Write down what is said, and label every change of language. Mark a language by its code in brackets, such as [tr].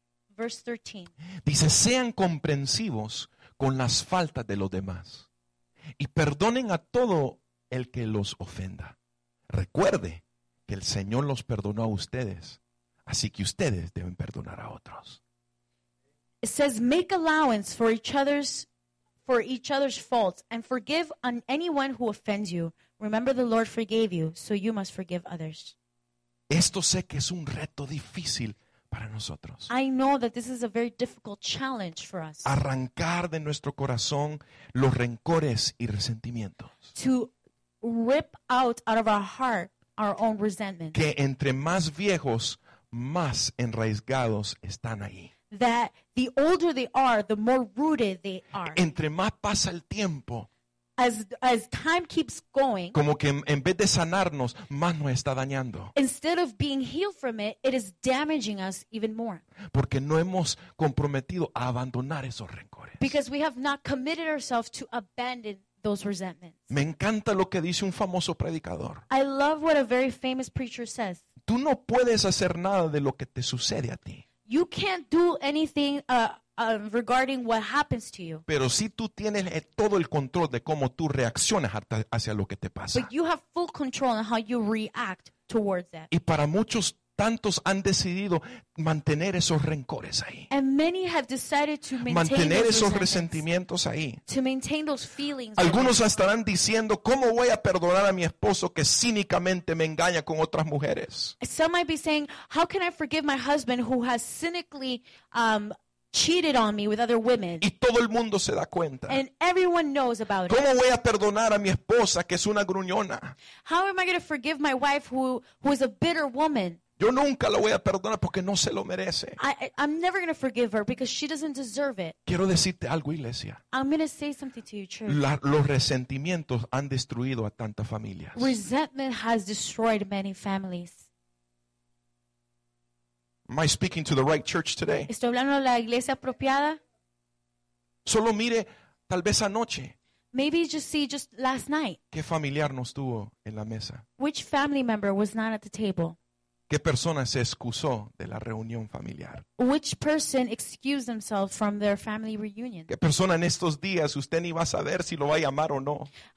[en] Verse 13. [es] Dice, sean comprensivos con las faltas de los demás y perdonen a todo el que los ofenda. Recuerde que el Señor los perdonó a ustedes, así que ustedes deben perdonar a otros. [en] It says, make allowance for each other's faults and forgive on anyone who offends you. Remember the Lord forgave you, so you must forgive others. [es] Esto sé que es un reto difícil. Para nosotros. [en] I know that this is a very difficult challenge for us. [es] Arrancar de nuestro corazón los rencores y resentimientos. [en] To rip out of our heart our own resentment. [es] Que entre más viejos, más enraizados están ahí. [en] That the older they are, the more rooted they are. [es] Entre más pasa el tiempo. [en] As time keeps going, [es] como que en vez de sanarnos, más nos está dañando. [en] Instead of being healed from it, it is damaging us even more. [es] Porque no hemos comprometido a abandonar esos rencores. [en] Because we have not committed ourselves to abandon those resentments. [es] Me encanta lo que dice un famoso predicador. [en] I love what a very famous preacher says. [es] Tú no puedes hacer nada de lo que te sucede a ti. [en] You can't do anything. Regarding what happens to you. [es] Pero si tú tienes todo el control de cómo tú reaccionas hacia lo que te pasa. [en] But you have full control on how you react towards that. [es] Y para muchos, tantos han decidido mantener esos rencores ahí. [en] And many have decided to maintain [es] mantener esos resentimientos ahí. [en] To maintain those feelings. [es] Algunos estarán diciendo, ¿cómo voy a perdonar a mi esposo que cínicamente me engaña con otras mujeres? [en] Some might be saying, how can I forgive my husband who has cynically cheated on me with other women. [es] Y todo el mundo se da cuenta. [en] And everyone knows about it. [es] ¿Cómo voy a perdonar a mi esposa que es una gruñona? [en] How am I going to forgive my wife who is a bitter woman? [es] Yo nunca la voy a perdonar porque no se lo merece. [en] I'm never going to forgive her because she doesn't deserve it. [es] Quiero decirte algo, iglesia. [en] I'm going to say something to you, church. [es] Los resentimientos han destruido a tantas familias. [en] Resentment has destroyed many families. Am I speaking to the right church today? [es] Estoy hablando a la iglesia apropiada. Solo mire, tal vez anoche. [en] Maybe just last night. [es] ¿Qué familiar no estuvo en la mesa? [en] Which family member was not at the table? [es] ¿Qué persona se excusó de la reunión familiar? [en] Which person excused themselves from their family reunion? [es] ¿Qué persona en estos días usted ni va a saber si lo va a llamar o no?